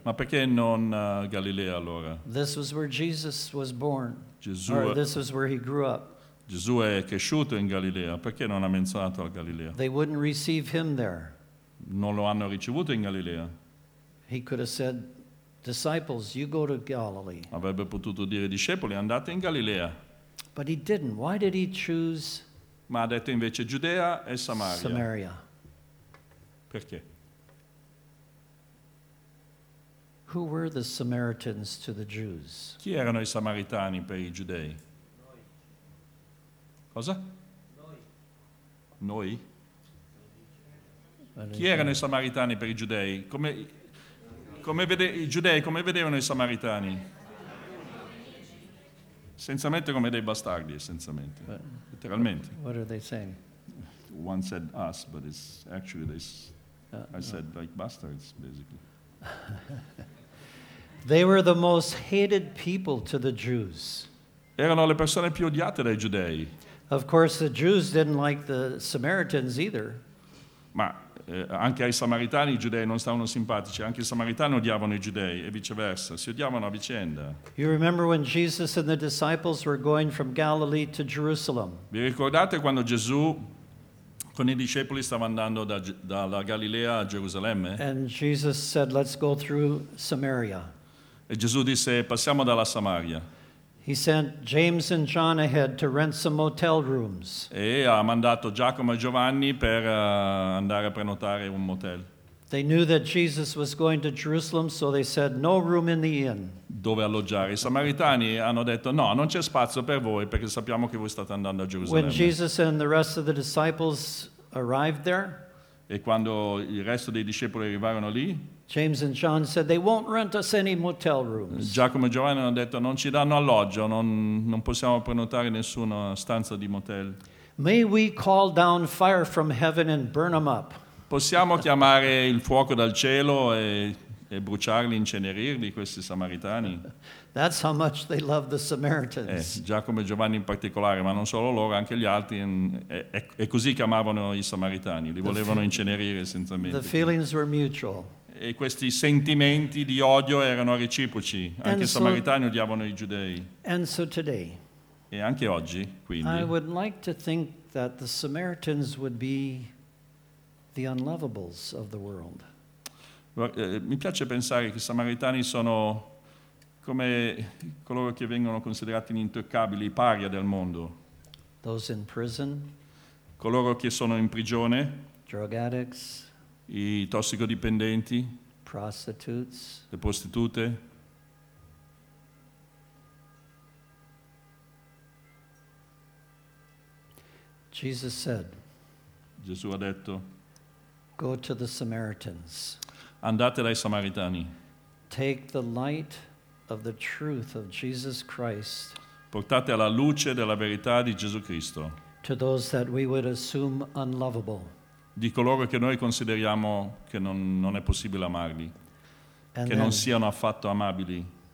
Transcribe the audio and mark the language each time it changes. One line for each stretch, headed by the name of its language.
Italian: Ma perché non Galilea allora?
English: This was where Jesus was born.
Italian: Gesù.
English: Or this was where he grew up.
Italian: Gesù è cresciuto in Galilea. Perché non ha menzionato la Galilea?
English: They wouldn't receive him there.
Italian: Non lo hanno ricevuto in Galilea.
English: He could have said, disciples, you go to Galilee.
Italian: Avrebbe potuto dire, discepoli, andate in Galilea.
English: But he didn't. Why did he choose?
Italian: Ma ha detto invece Giudea e Samaria. Samaria. Perché?
English: Who were the Samaritans to the Jews?
Italian: Chi erano i samaritani per i giudei? Noi. Cosa? Noi. Chi erano i samaritani per i giudei? I giudei come vedevano i samaritani? Essenzialmente come dei bastardi, essenzialmente.
English: But,
Italian: letteralmente.
English: What are they saying? One said us, but it's actually this. I said like bastards, basically. They were the most hated people to the Jews.
Italian: Erano le persone più odiate dai giudei.
English: Of course, the Jews didn't like the Samaritans either.
Italian: Ma anche ai samaritani i giudei non stavano simpatici. Anche i samaritani odiavano i giudei e viceversa. Si odiavano a vicenda.
English: You remember when Jesus and the disciples were going from Galilee to Jerusalem?
Italian: Vi ricordate quando Gesù con i discepoli stava andando dalla Galilea a Gerusalemme?
English: And Jesus said, "Let's go through Samaria."
Italian: E Gesù disse, "Passiamo dalla Samaria."
English: He sent James and John ahead to rent some motel rooms.
Italian: E ha mandato Giacomo e Giovanni per andare a prenotare un motel.
English: They knew that Jesus was going to Jerusalem, so they said, "No room in the inn."
Italian: Dove alloggiare? I samaritani hanno detto, "No, non c'è spazio per voi perché sappiamo che voi state andando a Gerusalemme."
English: When Jesus and the rest of the disciples arrived there,
Italian: e quando il resto dei discepoli arrivarono lì,
English: James and John said they won't rent us any motel rooms.
Italian: Giacomo e Giovanni hanno detto non ci danno alloggio, non possiamo prenotare nessuna stanza di motel.
English: May we call down fire from heaven and burn them up.
Italian: Possiamo chiamare il fuoco dal cielo e bruciarli, incenerirli questi samaritani.
English: That's how much they love the Samaritans.
Italian: Giacomo e Giovanni in particolare, ma non solo loro, anche gli altri, è così che amavano i samaritani, li volevano incenerire essenzialmente.
English: The feelings were mutual.
Italian: E questi sentimenti di odio erano reciproci, anche i samaritani odiavano i giudei.
English: And so today,
Italian: e anche oggi, quindi,
English: I would like to think that the Samaritans would be the unlovables of the world.
Italian: Mi piace pensare che i samaritani sono come coloro che vengono considerati intoccabili, i paria del mondo.
English: Those in prison,
Italian: coloro che sono in prigione,
English: drug addicts,
Italian: i tossicodipendenti,
English: prostitutes,
Italian: le prostitute.
English: Jesus said,
Italian: Gesù ha detto,
English: "Go to the Samaritans."
Italian: Andate dai samaritani.
English: Take the light of the truth of Jesus Christ.
Italian: Portate alla luce della verità di Gesù Cristo.
English: To those that we would assume unlovable.
Italian: Di coloro che noi consideriamo che non è possibile amarli,
English: and
Italian: che
English: then,
Italian: non siano affatto amabili.